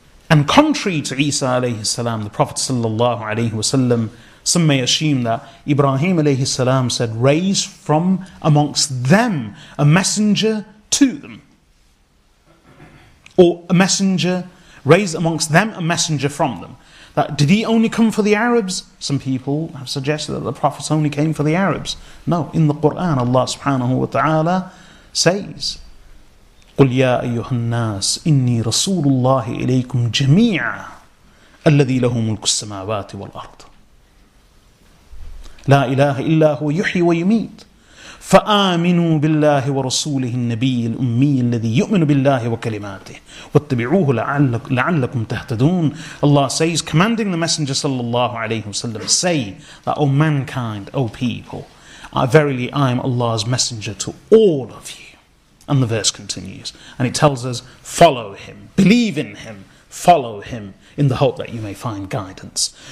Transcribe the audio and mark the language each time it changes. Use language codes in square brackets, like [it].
[en] And contrary to Isa alayhi salam, the Prophet sallallahu alayhi wasallam, some may assume that Ibrahim alayhi salam said, raise from amongst them a messenger to them. Or a messenger, raise amongst them a messenger from them. That did he only come for the Arabs? Some people have suggested that the Prophet only came for the Arabs. No, in the Quran, Allah subhanahu wa ta'ala says, [ar] قُلْ يَا أَيُّهَا النَّاسِ إِنِّي رَسُولُ اللَّهِ إِلَيْكُمْ جَمِيعًا أَلَّذِي لَهُ مُلْكُ السَّمَاوَاتِ وَالْأَرْضِ لَا إِلَهَ إِلَّا هُوَ يُحْيِي وَيُمِيتُ فَآمِنُوا بِاللَّهِ وَرَسُولِهِ النَّبِيِّ الْأُمِّيِّ الَّذِي يُؤْمِنُ بِاللَّهِ وَكَلِمَاتِهِ وَاتَّبِعُوهُ لَعَلَّكُمْ تَهْتَدُونَ. [en] Allah says, commanding the Messenger sallallahu alayhi wa sallam, say that, O mankind, O people, verily I am Allah's messenger to all of you. And the verse continues, and it tells us, follow him, believe in him, follow him in the hope that you may find guidance.